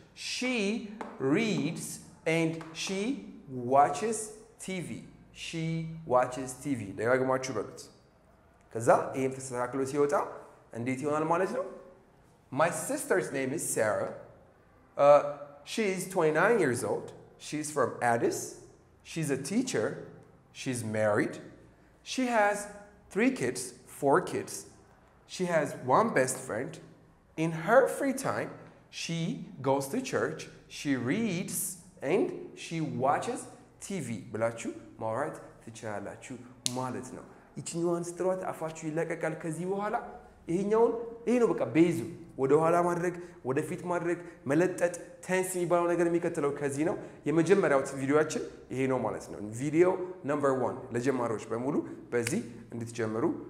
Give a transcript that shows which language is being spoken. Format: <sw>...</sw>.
<en>She reads and she watches TV. She watches TV.</en> <am>ደጋግማችሁ በሉት። ከዛ ይሄን ተስተካክሎ ሲወጣ እንዴት ይሆናል ማለት ነው?</am> <en>My sister's name is Sarah. She is 29 years old. She's from Addis. She's a teacher. She's married. She has three kids, four kids. She has one best friend. In her free time, she goes to church. She reads and she watches TV.</en> <am>ብላችሁ ማውራት ትችላላችሁ ማለት ነው። ይችኛዋን ስትሯት አፋችሁ ይለቀቃል ከዚህ በኋላ ይሄኛውን ይሄ ነው በቃ ቤዙ ወደ ኋላ ማድረግ ወደ ፊት ማድረግ መለጠጥ ቴንስ የሚባለው ነገር የሚከተለው ከዚህ ነው። የመጀመሪያው ቪዲዮአችን ይሄ ነው ማለት ነው። ቪዲዮ ነምበር 1 ለጀማሪዎች በሙሉ በዚህ እንድትጀምሩ</am>